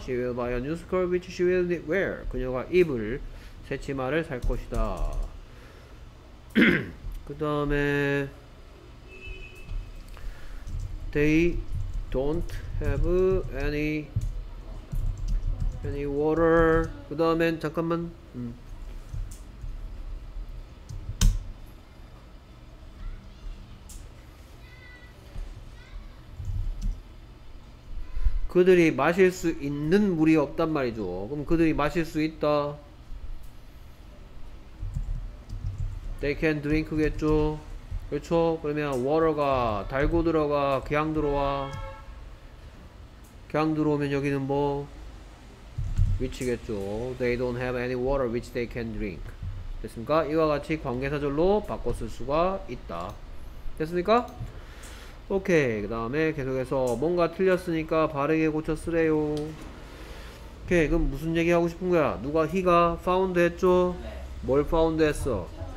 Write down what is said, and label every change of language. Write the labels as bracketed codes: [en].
[en] She will buy a new skirt which she will wear. [ko] 그녀가 입을 새 치마를 살 것이다. 그 다음에 [en] They don't have any water. [ko] 그 다음엔 잠깐만 그들이 마실 수 있는 물이 없단 말이죠. 그럼 그들이 마실 수 있다. [en] They can drink [ko] 겠죠. 그렇죠? 그러면 water가 달고 들어가, 그냥 들어와. 그냥 들어오면 여기는 뭐? 위치겠죠. [en] They don't have any water which they can drink. [ko] 됐습니까? 이와 같이 관계사절로 바꿨을 수가 있다. 됐습니까? 오케이. 그 다음에 계속해서 뭔가 틀렸으니까 바르게 고쳐 쓰래요. 오케이. 그럼 무슨 얘기 하고 싶은 거야? 누가 he가 found 했죠? 네. 뭘 found 했어?